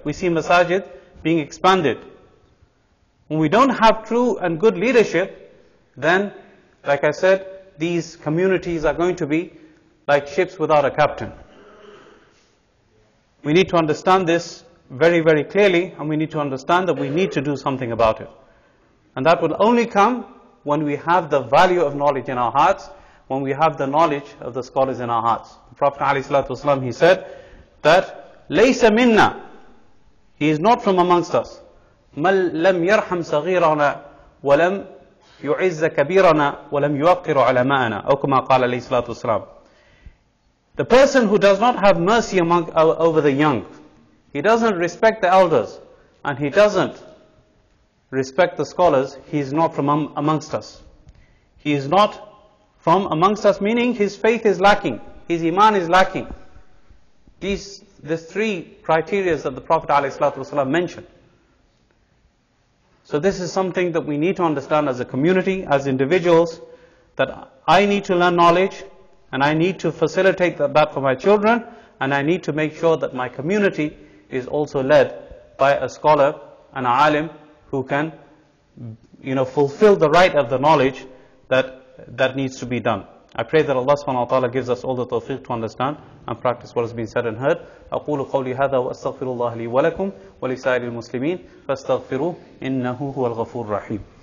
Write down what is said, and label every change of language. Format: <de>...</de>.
<en>We see masajid being expanded. When we don't have true and good leadership, then, like I said, these communities are going to be like ships without a captain. We need to understand this very, very clearly, and we need to understand that we need to do something about it. And that will only come when we have the value of knowledge in our hearts, when we have the knowledge of the scholars in our hearts. The Prophet ﷺ, he said that</en> <ar>لَيْسَ مِنَّا,</ar> <en>he is not from amongst us,</en> <ar>مَلْ لَمْ يَرْحَمْ صَغِيرَنَا وَلَمْ يُعِزَّ كَبِيرَنَا وَلَمْ يُوَقِّرُ عَلَمَاءَنَا أَوْ كُمَا قَالَ عَلَيْهِ صَلَاةُ وَسَلَامُ.</ar> <en>The person who does not have mercy over the young, he doesn't respect the elders, and he doesn't respect the scholars, he is not from amongst us. He is not from amongst us, meaning his faith is lacking, his iman is lacking. these three criteria that the Prophet ﷺ mentioned. So this is something that we need to understand as a community, as individuals, that I need to learn knowledge, and I need to facilitate that for my children, and I need to make sure that my community is also led by a scholar and an alim who can, you know, fulfill the right of the knowledge that needs to be done. I pray that Allah subhanahu wa ta'ala gives us all the tawfiq to understand and practice what has been said and heard.</en> <ar>أقول قولي هذا وأستغفر الله لي ولكم ولسائر المسلمين فاستغفروه إنه هو الغفور الرحيم.</ar>